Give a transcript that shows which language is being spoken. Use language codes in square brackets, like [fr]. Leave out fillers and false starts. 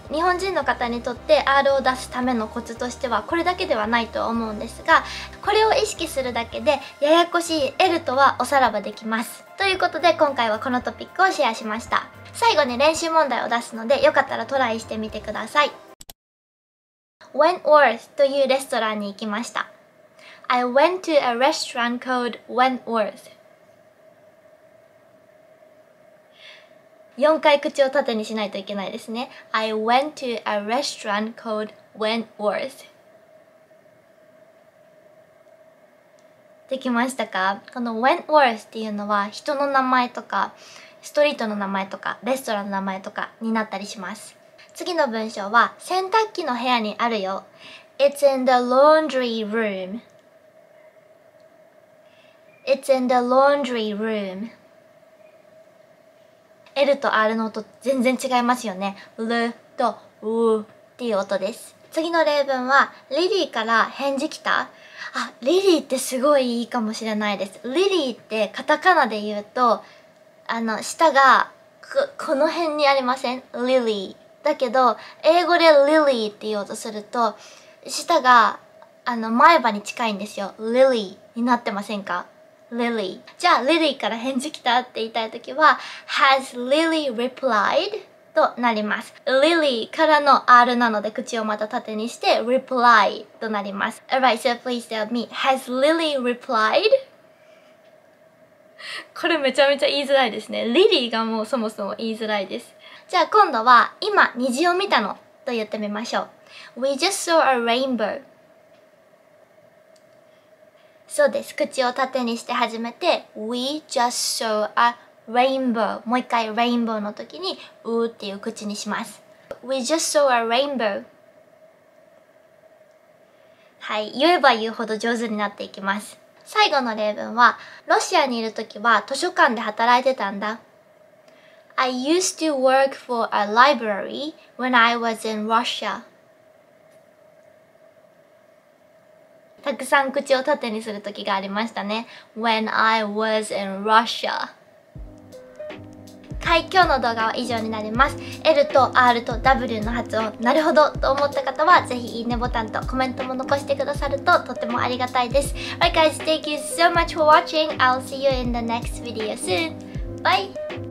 [ja] 日本人の方にとって R を出すためのコツとしてはこれだけではないと思うんですが、これを意識するだけでややこしい L とはおさらばできます。ということで今回はこのトピックをシェアしました。最後に練習問題を出すので、よかったらトライしてみてください。 Wentworth というレストランに行きました。 [en] I went to a restaurant called Wentworth。 [ja] 4回口を縦にしないといけないですね。 [en] I went to a restaurant called Wentworth。 [ja] できましたか？この Wentworth っていうのは人の名前とかストリートの名前とかレストランの名前とかになったりします。次の文章は洗濯機の部屋にあるよ。 [en] It's in the laundry room。 It's in the laundry room。 [ja] L と R の音全然違いますよね。L と U っていう音です。次の例文はリリーから返事来た。あ、リリーってすごいいいかもしれないです。リリーってカタカナで言うと舌がこの辺にありません？ Lily だけど、英語で Lily って言おうとすると舌が前歯に近いんですよ。 Lily になってませんか？ Lily。じゃあ Lily から返事来たって言いたいときは [en] Has Lily replied [ja] となります。 Lily からの R なので口をまた縦にして Reply となります。 [en] Alright, so please tell me, Has Lily replied? [ja] これめちゃめちゃ言いづらいですね。リリーがもうそもそも言いづらいです。じゃあ今度は今虹を見たのと言ってみましょう。 [en] We just saw a rainbow。 [ja] そうです、口を縦にして始めて [en] We just saw a rainbow。 [ja] もう一回 rainbow の時にうーっていう口にします。 [en] We just saw a rainbow。 [ja] はい、言えば言うほど上手になっていきます。最後の例文は、ロシアにいる時は図書館で働いてたんだ。 [en] I used to work for a library when I was in Russia。 [ja] たくさん口を縦にする時がありましたね。 [en] When I was in Russia。 [ja] はい、今日の動画は以上になります。L と R と W の発音、なるほどと思った方はぜひいいねボタンとコメントも残してくださるととてもありがたいです。 [en] Alright guys, thank you so much for watching. I'll see you in the next video soon. Bye!